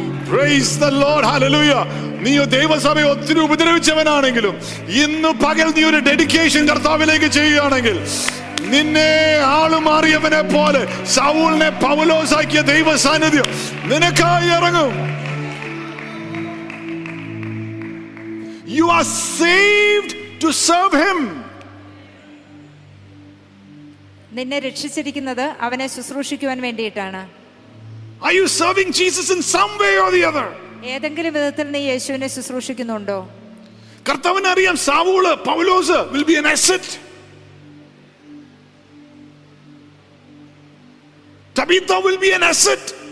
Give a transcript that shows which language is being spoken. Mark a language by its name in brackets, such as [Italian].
[English] Praise the Lord, hallelujah. [Malayalam] നീയോ ദൈവസഭയെ ഒത്തിരി ഉപദ്രവിച്ചവനാണെങ്കിലും ഇന്ന് പകൽ നീ ഒരു ഡെഡിക്കേഷൻ കർത്താവിലേക്ക് ചെയ്യുകയാണെങ്കിൽ നിന്നെ ആളുമാറിയവനെ പോലെ സൗലിനെ പൗലോസാക്കിയ ദൈവ സാന്നിധ്യം നിനക്കായി ഇറങ്ങും. [English] You are saved to serve him. [Malayalam] നിന്നെ രക്ഷിച്ചിരിക്കുന്നത് അവനെ ശുശ്രൂഷിക്കുവാൻ വേണ്ടിയിട്ടാണ്. [English] Are you serving Jesus in some way or the other? [Malayalam] ഏതെങ്കിലും വിധത്തിൽ നീ യേശുവിനെ ശുശ്രൂഷിക്കുന്നുണ്ടോ? കർത്താവിന് അറിയാം സൗല് പൗലോസ് [English] will be an asset. Tabitha will be an asset.